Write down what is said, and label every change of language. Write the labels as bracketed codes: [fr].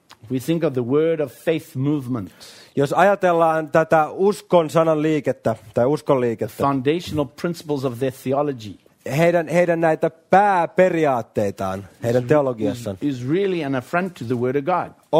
[en] We think of the word of faith movement. [fi] Jos ajatellaan tätä uskon sanan liikettä tai uskon liikettä. [en] Foundational principles of their theology. [fi] Heidän näitä pääperiaatteitaan heidän teologiassaan. [en] Is really an affront to the word of God.